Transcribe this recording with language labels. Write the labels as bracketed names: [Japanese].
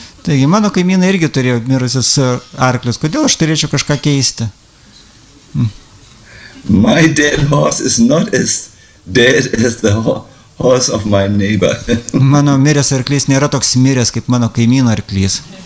[Lithuanian] Taigi, mano kaimynai irgi turėjo mirusius arklius. Kodėl aš turėčiau kažką keisti? [English] My dead horse is not as dead as the horse of my neighbor. [Lithuanian] Mano miręs arklys nėra toks miręs, kaip mano kaimyno arklys.